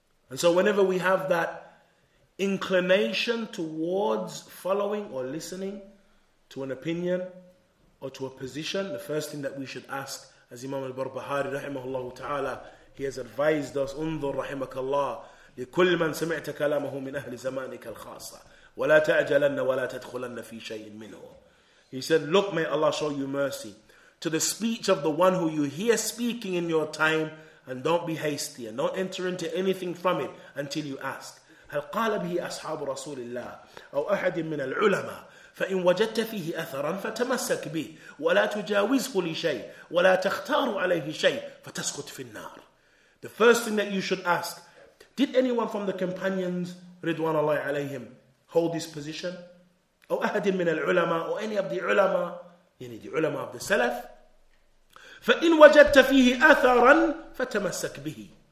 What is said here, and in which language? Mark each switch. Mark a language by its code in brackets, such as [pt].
[en] And so whenever we have that inclination towards following or listening to an opinion or to a position, the first thing that we should ask, as Imam al-Barbahari rahimahullah ta'ala, he has advised us, [ar] انظر رحمك الله لكل من سمعت كلامه من أهل زمانك الخاصة ولا تأجلن ولا تدخلن في شيء منه. [en] He said, look, may Allah show you mercy to the speech of the one who you hear speaking in your time, and don't be hasty, and don't enter into anything from it until you ask. [ar] هل قال به أصحاب رسول الله أو أحد من العلماء فإن وجدت فيه أثرا فتمسك به ولا تجاوزه لشيء ولا تختار عليه شيء فتسقط في النار. [en] The first thing that you should ask, did anyone from the companions, [ar] رضوان الله عليهم, [en] hold this position? [ar] أو أحد من العلماء, [en] or any of the ulama, يعني the ulama of the Salaf. [ar] فإن وجدت فيه أثرا فتمسك به.